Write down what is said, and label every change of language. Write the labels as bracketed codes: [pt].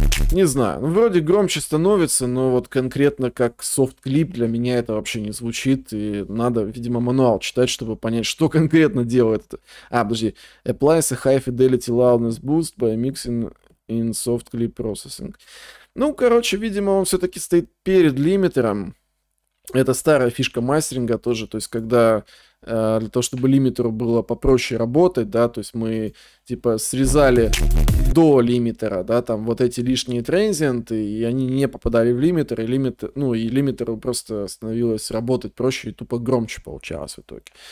[ru] Не знаю, ну вроде громче становится, но вот конкретно как софт-клип для меня это вообще не звучит. И надо, видимо, мануал читать, чтобы понять, что конкретно делает это. А, подожди. [en] Applies a high fidelity loudness boost by mixing in soft clip processing. [ru] Ну, короче, видимо, он все-таки стоит перед лимитером. Это старая фишка мастеринга тоже, то есть когда для того, чтобы лимитеру было попроще работать, да, то есть мы типа срезали до лимитера, да, там вот эти лишние транзиенты, и они не попадали в лимитер, и лимитеру просто становилось работать проще и тупо громче получалось в итоге.